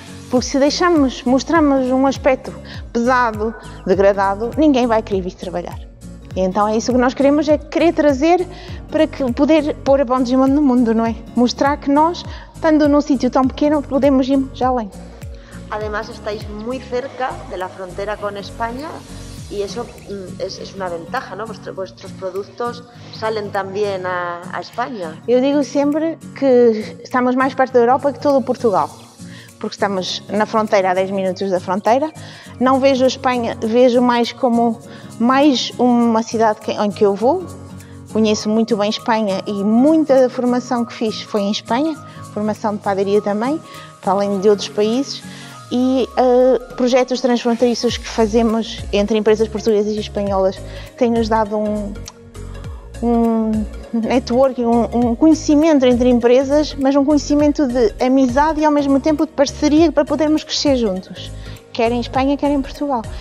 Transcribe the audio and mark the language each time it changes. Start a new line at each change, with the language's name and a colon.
Portuguese: Porque se deixamos, mostramos um aspecto pesado, degradado, ninguém vai querer vir trabalhar. E então é isso que nós queremos, é querer trazer para que poder pôr a Pão de Gimonde no mundo, não é? Mostrar que nós, estando num sítio tão pequeno, podemos ir já além.
Spanish: Además, estáis muy cerca de la frontera con España y eso es una ventaja, ¿no? Vuestros productos salen también a España.
Portuguese: Eu digo sempre que estamos mais perto da Europa que todo Portugal, porque estamos na fronteira, a 10 minutos da fronteira. Não vejo a Espanha, vejo mais como mais uma cidade em que eu vou. Conheço muito bem a Espanha e muita da formação que fiz foi em Espanha, formação de padaria também, para além de outros países, e projetos transfronteiriços que fazemos entre empresas portuguesas e espanholas têm-nos dado um networking, um conhecimento entre empresas, mas um conhecimento de amizade e ao mesmo tempo de parceria para podermos crescer juntos, quer em Espanha, quer em Portugal.